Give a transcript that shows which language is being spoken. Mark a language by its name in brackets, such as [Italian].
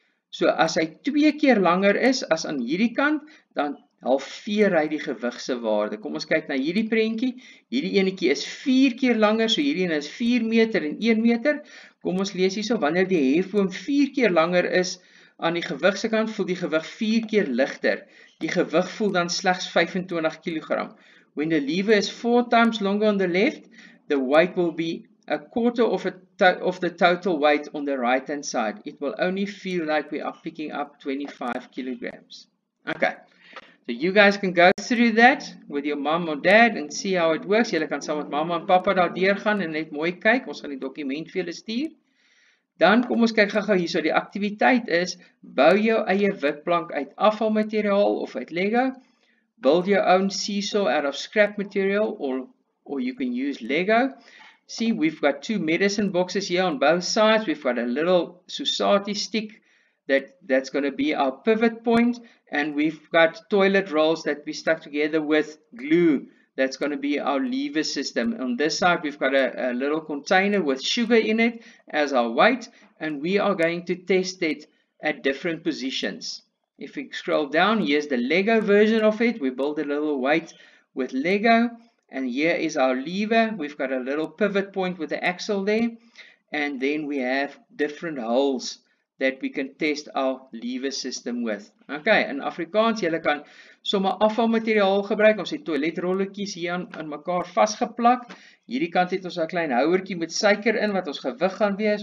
[Afrikaans] So as hy 2 keer langer is as aan hierdie kant, dan halveer hy die gewigse waarde. Kom ons kyk na hierdie prentjie. Hierdie enetjie is 4 keer langer, so hierdie ene is 4 meter en 1 meter. Kom ons lees hierso, wanneer die hefboom 4 keer langer is aan die gewigse kant, voel die gewig 4 keer ligter. Die gewig voel dan slegs 25 kg. [English] When the lever is 4 times longer on the left, the weight will be a quarter of the total weight on the right hand side. It will only feel like we are picking up 25 kg. Okay, so you guys can go through that with your mom or dad and see how it works. [Afrikaans] Julle kan saam met mama en papa daar deurgaan en net mooi kyk. Ons gaan die dokument vir julle stuur. Dan kom ons kyk gou-gou hierso. Die aktiwiteit is: bou jou eie wikplank uit afvalmateriaal of uit Lego. [English] Build your own seesaw out of scrap material, or you can use Lego. See, we've got 2 medicine boxes here on both sides. We've got a little Susati stick that's going to be our pivot point, and we've got toilet rolls that we stuck together with glue. That's going to be our lever system. On this side, we've got a little container with sugar in it as our weight, and we are going to test it at different positions. If we scroll down, here's the Lego version of it. We build a little weight with Lego, and here is our lever. We've got a little pivot point with the axle there, and then we have different holes that we can test our lever system with. Okay, in Afrikaans, [Afrikaans] julle kan sommer afvalmateriaal gebruik. Ons het toiletrolletjies hier aan mekaar vasgeplak. Hierdie kant het ons 'n klein houertjie met suiker in wat ons gewig gaan wees.